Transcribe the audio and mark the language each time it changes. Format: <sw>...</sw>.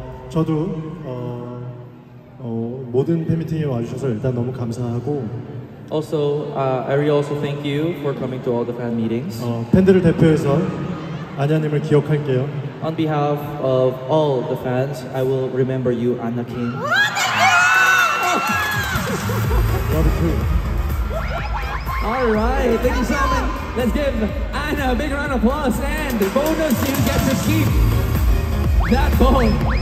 <ko>저도 모든 팬미팅에 와주셔서 일단 너무 감사하고.</ko> <en>Also, I also thank you for coming to all the fan meetings.</en> <ko>팬들을 대표해서 아냐님을 기억할게요.</ko> <en>On behalf of all the fans, I will remember you, Anna Kim. Love you. All right, thank you, Simon. Let's give Anna a big round of applause and bonus, you get to keep that phone.</en>